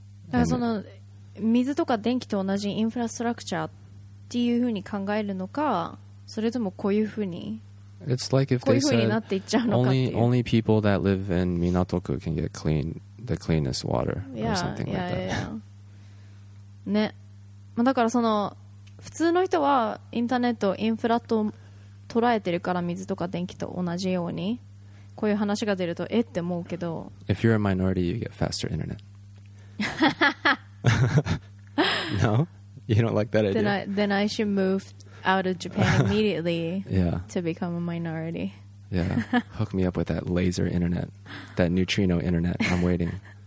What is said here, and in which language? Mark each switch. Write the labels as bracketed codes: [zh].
[ja] だからその水とか電気と同じインフラストラクチャーっていうふうに考えるのか、それともこういうふうに、 [en] It's like、if [ja] こういうふうになっていっちゃうのかっていう。 [en] Only people that live in Minatoku can get clean, the cleanest water or something like that. [ja] ね、まあ、だからその普通の人はインターネットインフラと捉えてるから水とか電気と同じようにこういう話が出るとえって思うけど。 [en] If you're a minority, you get faster internet. No? You don't like that idea? Then I should move out of Japan immediately yeah. to become a minority. Yeah. Hook me up with that laser internet. That neutrino internet. I'm waiting.